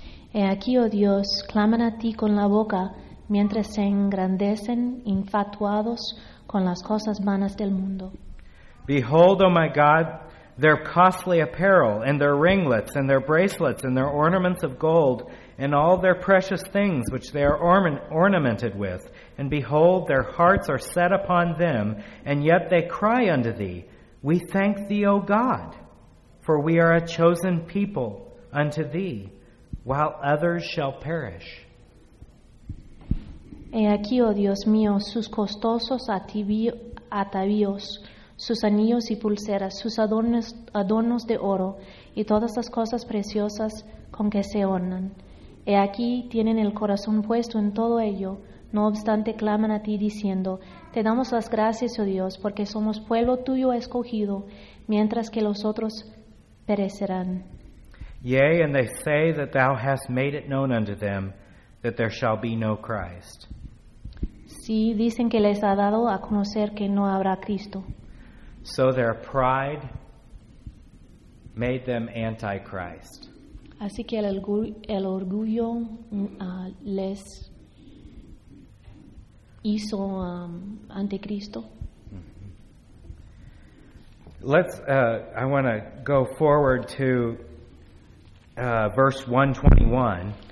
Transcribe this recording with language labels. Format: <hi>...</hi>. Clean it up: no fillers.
<es>He aquí, oh Dios, claman a ti con la boca mientras se engrandecen infatuados con las cosas vanas del mundo.</es> <en>Behold, oh my God, their costly apparel and their ringlets and their bracelets and their ornaments of gold and all their precious things which they are ornamented with. And behold, their hearts are set upon them, and yet they cry unto thee. We thank thee, O God, for we are a chosen people unto thee, while others shall perish.</en> <es>He aquí, oh Dios mío, sus costosos atavíos, sus anillos y pulseras, sus adornos de oro, y todas las cosas preciosas con que se ornan. He aquí, tienen el corazón puesto en todo ello, no obstante claman a ti diciendo, te damos las gracias, oh Dios, porque somos pueblo tuyo escogido, mientras que los otros perecerán.</es> <en>Yea, and they say that thou hast made it known unto them that there shall be no Christ.</en> <es>Sí, dicen que les ha dado a conocer que no habrá Cristo.</es> <en>So their pride made them anti-Christ.</en> <es>Así que el orgullo les hizo anticristo.</es> <en>I want to go forward to verse 121.</en>